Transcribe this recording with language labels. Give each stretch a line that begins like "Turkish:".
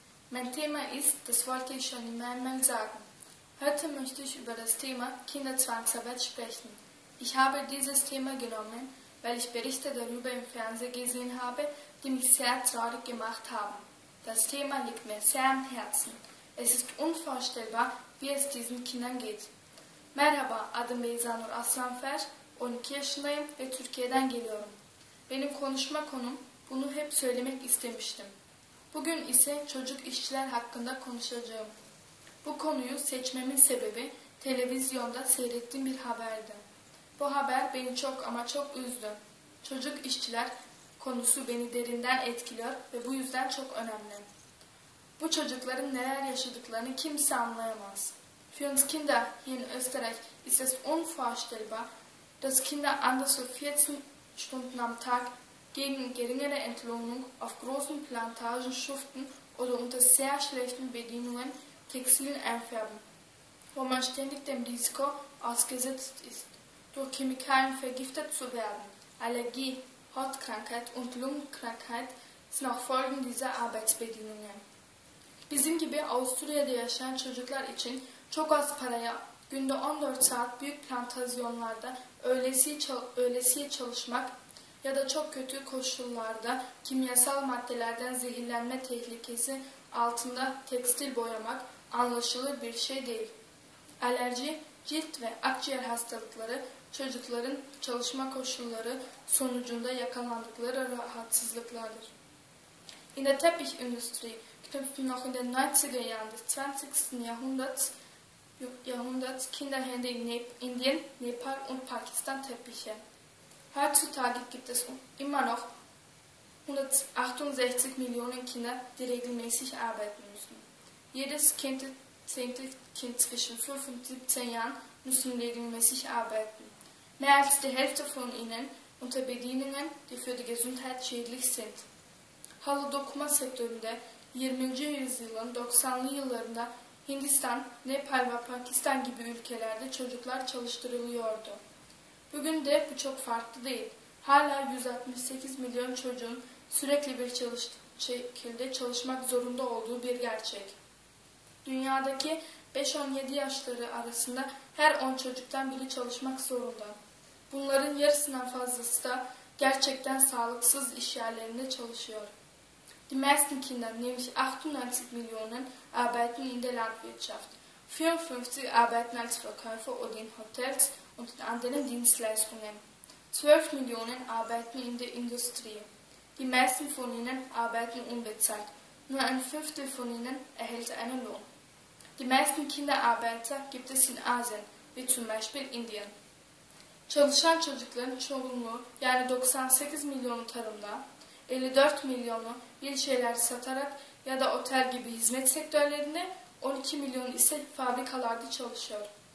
German: Mein Thema ist, das wollte ich schon immer einmal sagen. Heute möchte ich über das Thema Kinderzwangsarbeit sprechen. Ich habe dieses Thema genommen, weil ich Berichte darüber im Fernsehen gesehen habe, die mich sehr traurig gemacht haben. Das Thema liegt mir sehr am Herzen. Es ist unvorstellbar, wie es diesen Kindern geht.
Turkish: Merhaba, adım Besan Aslanfer. 12 yaşındayım ve Türkiye'den geliyorum. Benim konuşma konum bunu hep söylemek istemiştim. Bugün ise çocuk işçiler hakkında konuşacağım. Bu konuyu seçmemin sebebi televizyonda seyrettiğim bir haberdi. Bu haber beni çok ama çok üzdü. Çocuk işçiler konusu beni derinden etkiliyor ve bu yüzden çok önemli. Bu çocukların neler yaşadıklarını kimse anlayamaz.
German: Für uns Kinder hier in Österreich ist es unvorstellbar, dass Kinder anderswo 14 Stunden am Tag gegen geringere Entlohnung auf großen Plantagen schuften oder unter sehr schlechten Bedingungen Textilien einfärben, wo man ständig dem Risiko ausgesetzt ist, durch Chemikalien vergiftet zu werden. Allergie, Hautkrankheit und Lungenkrankheit sind auch Folgen dieser Arbeitsbedingungen.
Turkish: Bizim gibi Avusturya'da yaşayan çocuklar için çok az paraya günde 14 saat büyük plantasyonlarda öylesiye çalışmak ya da çok kötü koşullarda kimyasal maddelerden zehirlenme tehlikesi altında tekstil boyamak anlaşılır bir şey değil. Alerji, cilt ve akciğer hastalıkları çocukların çalışma koşulları sonucunda yakalandıkları rahatsızlıklardır.
German: In der Teppichindustrie knüpfen noch in den 90er Jahren des 20. Jahrhunderts Kinderhände in Indien, Nepal und Pakistan Teppiche. Heutzutage gibt es immer noch 168 Millionen Kinder, die regelmäßig arbeiten müssen. Jedes zehnte Kind zwischen 5 und 17 Jahren müssen regelmäßig arbeiten. Mehr als die Hälfte von ihnen unter Bedingungen, die für die Gesundheit schädlich sind.
Turkish: Halı dokuma sektöründe 20. yüzyılın 90'lı yıllarında Hindistan, Nepal ve Pakistan gibi ülkelerde çocuklar çalıştırılıyordu. Bugün de bu çok farklı değil. Hala 168 milyon çocuğun sürekli bir şekilde çalışmak zorunda olduğu bir gerçek. Dünyadaki 5-17 yaşları arasında her 10 çocuktan biri çalışmak zorunda. Bunların yarısından fazlası da gerçekten sağlıksız iş yerlerinde çalışıyor.
German: Die meisten Kinder, nämlich 98 Millionen, arbeiten in der Landwirtschaft. 54 arbeiten als Verkäufer oder in Hotels und in anderen Dienstleistungen. 12 Millionen arbeiten in der Industrie. Die meisten von ihnen arbeiten unbezahlt. Nur ein Fünftel von ihnen erhält einen Lohn. Die meisten Kinderarbeiter gibt es in Asien, wie zum Beispiel Indien.
Turkish: Çalışan çocukların çoğunluğu, yani 98
German: Millionen
Turkish: tarımda, 54 milyonu bir şeyler satarak ya da otel gibi hizmet sektörlerinde, 12 milyonu ise fabrikalarda çalışıyor.